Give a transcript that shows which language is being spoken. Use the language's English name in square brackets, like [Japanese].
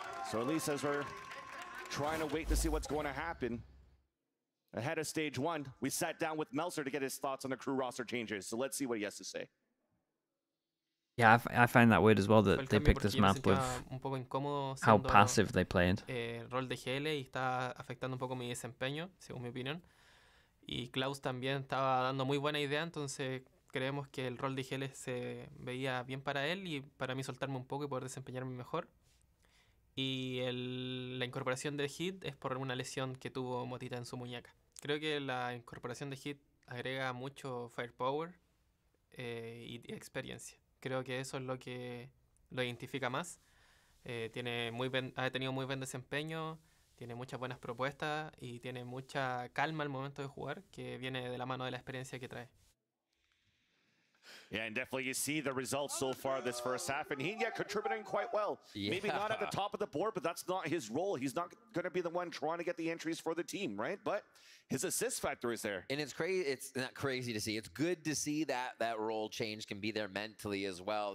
[English] So at least as we're trying to wait to see what's going to happen, ahead of stage 1, we sat down with Melzer to get his thoughts on the KRU roster changes. So let's see what he has to say. Yeah, I find that weird as well that they picked this map with how passive they played. [Spanish] Rol de GL y está afectando un poco mi desempeño, según mi opinión. Y Klaus también estaba dando muy buena idea, entonces creemos que el rol de GL se veía bien para él y para mí soltarme un poco y poder desempeñarme mejor. Y el, la incorporación de Hit es por una lesión que tuvo Motita en su muñeca. Creo que la incorporación de Hit agrega mucho firepower y experiencia. Creo que eso es lo que lo identifica más. Ha tenido muy buen desempeño, tiene muchas buenas propuestas y tiene mucha calma al momento de jugar, que viene de la mano de la experiencia que trae. [English] Yeah, and definitely you see the results so far this first half, and he contributing quite well. Yeah. Maybe not at the top of the board, but that's not his role. He's not going to be the one trying to get the entries for the team, right? But his assist factor is there. And it's crazy. It's not crazy to see. It's good to see that that role change can be there mentally as well.